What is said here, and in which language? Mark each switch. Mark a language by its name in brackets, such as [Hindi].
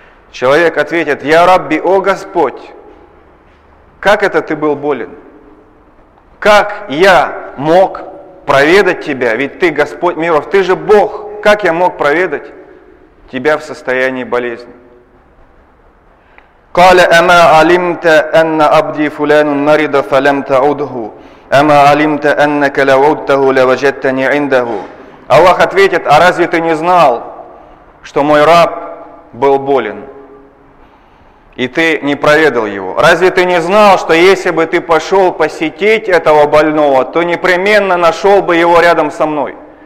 [Russian] Человек ответит: «Я Рабби, о Господь, как это ты был болен? Как я мог проведать тебя? Ведь ты Господь миров, ты же Бог, как я мог проведать тебя в состоянии болезни?» [Arabic] قال أما علمت أن عبدي فلان مريض فلم تعده أما علمت أنك لو عدته لوجدتني عنده. [Russian] Аллах ответит: а разве ты не знал, что мой раб был болен, и ты не проведал его? Разве ты не знал, что если бы ты пошел посетить этого больного, то непременно нашел бы его рядом со мной?